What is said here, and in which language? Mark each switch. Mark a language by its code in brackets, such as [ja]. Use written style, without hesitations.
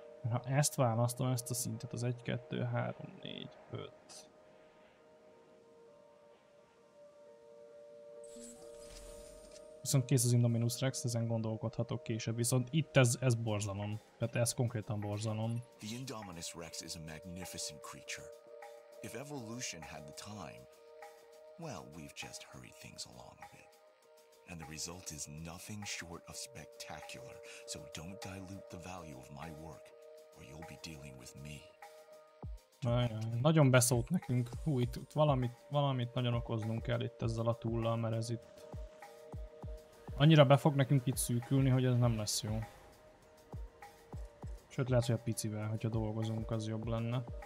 [hu] Ha ezt választom, ezt a szintet, az 1, 2, 3, 4, 5. Viszont kész az Indominus Rex, ezen gondolkodhatok később, viszont itt ez borzalom. Tehát ez konkrétan borzalom. [en] The Indominus Rex is a magnificent creature. If evolution had the time, well, we've just hurried things along a bit. And the result is nothing short of spectacular, so don't dilute the value of my work. You'll be dealing with me. [hu] Nagyon beszólt nekünk. Hú, itt valamit nagyon okoznunk kell itt ezzel a túllal, mert ez itt annyira be fog nekünk itt szűkülni, hogy ez nem lesz jó. Sőt, lehet, hogy a picivel, hogyha dolgozunk, az jobb lenne.